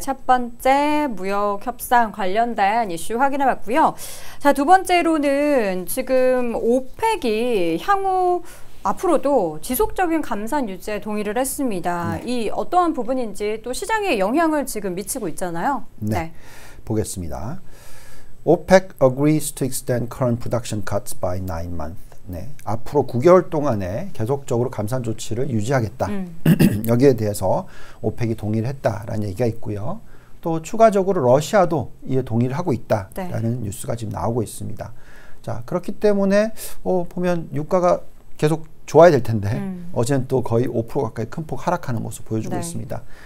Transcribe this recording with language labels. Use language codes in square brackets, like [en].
[ko] 첫 번째 무역 협상 관련된 이슈 확인해 봤고요. 자, 두 번째로는 지금 오펙이 향후 앞으로도 지속적인 감산 유지에 동의를 했습니다. 네. 이 어떠한 부분인지 또 시장에 영향을 지금 미치고 있잖아요. 네, 네. 보겠습니다. [en] OPEC agrees to extend current production cuts by 9 months. [ko] 네, 앞으로 9개월 동안에 계속적으로 감산 조치를 유지하겠다. 여기에 대해서 OPEC이 동의를 했다라는 얘기가 있고요. 또 추가적으로 러시아도 이에 동의를 하고 있다라는 네. 뉴스가 지금 나오고 있습니다. 자, 그렇기 때문에 보면 유가가 계속 좋아야 될 텐데 어제는 또 거의 5% 가까이 큰 폭 하락하는 모습 보여주고 네. 있습니다.